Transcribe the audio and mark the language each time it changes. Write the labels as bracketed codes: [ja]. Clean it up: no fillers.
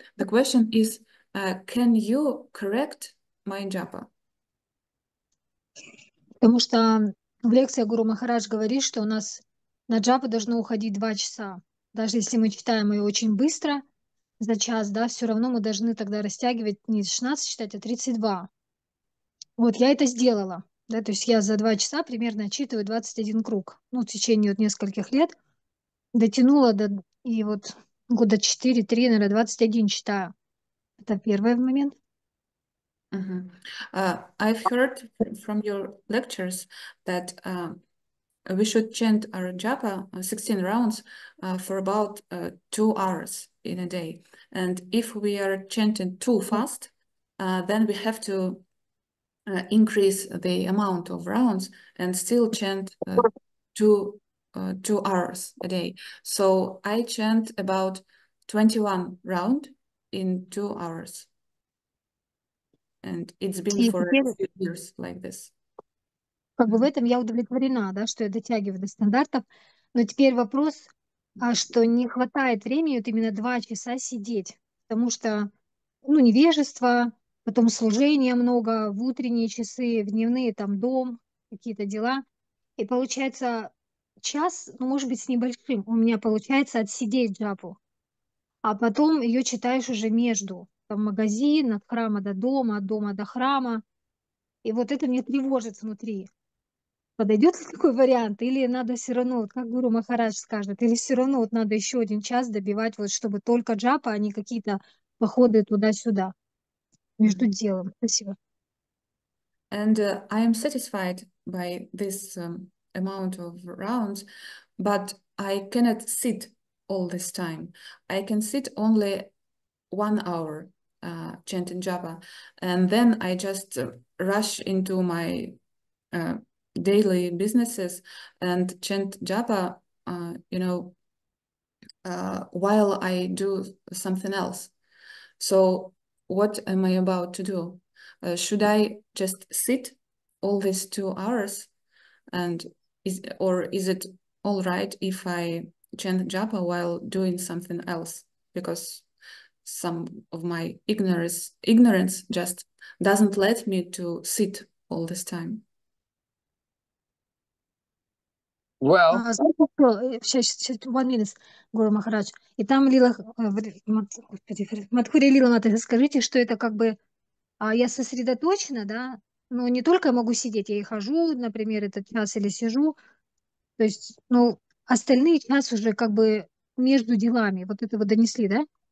[en] The question is, can you correct my japa? [ru] Потому что в лекции Гуру Махарадж говорит, что у нас на джапу должно уходить 2 часа. Даже если мы читаем ее очень быстро, за час, да, все равно мы должны тогда растягивать не 16 читать, а 32. Вот я это сделала. Да, то есть я за 2 часа примерно отчитываю 21 круг, ну, в течение вот нескольких лет. Дотянула до и вот года 4-3, наверное, 21 читаю. Это первый момент. [en] I've heard from your lectures that we should chant our japa 16 rounds for about 2 hours in a day. And if we are chanting too fast, then we have to increase the amount of rounds and still chant two hours a day. So I chant about 21 round in 2 hours. And it's been for a few years like this. [ru] Как бы в этом я удовлетворена, да, что я дотягиваю до стандартов. Но теперь вопрос, а что не хватает времени вот именно 2 часа сидеть, потому что, ну, невежество, потом служение много в утренние часы, в дневные, там, дом, какие-то дела. И получается час, ну, может быть, с небольшим у меня получается отсидеть джапу, а потом ее читаешь уже между, там, магазин, от храма до дома, от дома до храма. И вот это мне тревожит внутри. Подойдет ли такой вариант? Или надо все равно, вот как Гуру Махарадж скажет, или все равно вот надо еще 1 час добивать, вот, чтобы только джапа, а не какие-то походы туда-сюда между делом. Спасибо. [en] And I am satisfied by this amount of rounds, but I cannot sit all this time. I can sit only 1 hour chanting japa, and then I just rush into my daily businesses and chant japa, you know, while I do something else. So what am I about to do? Should I just sit all these 2 hours, and is it all right if I chant japa while doing something else? Because some of my ignorance just doesn't let me to sit all this time. Well, [ru] сейчас, 1 минут, Гуру Махарадж. И там Лила, Мадхури Лила, надо скажите, что это как бы, я сосредоточена, да, но не только я могу сидеть, я и хожу, например, этот час или сижу, то есть, ну, остальные час уже как бы между делами, вот это вы донесли, да?